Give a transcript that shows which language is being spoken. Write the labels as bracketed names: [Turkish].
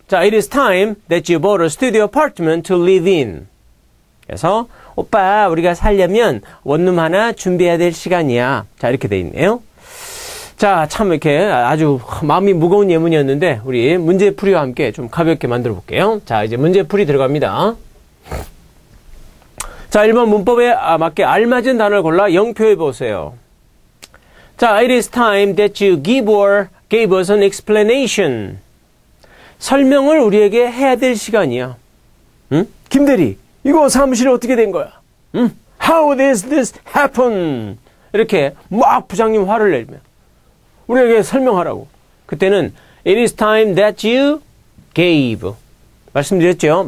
[Korean] 자, [English] it is time that you bought a studio apartment to live in. [Korean] 그래서 오빠 우리가 살려면 원룸 하나 준비해야 될 시간이야. 자, 이렇게 돼 있네요. 자, 참 이렇게 아주 마음이 무거운 예문이었는데 우리 문제풀이와 함께 좀 가볍게 만들어 볼게요. 자, 이제 문제풀이 들어갑니다. 자, 1번 문법에 맞게 알맞은 단어를 골라 영표해 보세요. 자, [English] it is time that you give or gave us an explanation. [Korean] 설명을 우리에게 해야 될 시간이야. 응? 김 대리, 이거 사무실이 어떻게 된 거야? 응? [English] How does this happen? [Korean] 이렇게 막 부장님 화를 내면 우리에게 설명하라고. 그때는 [English] It is time that you gave. [Korean] 말씀드렸죠?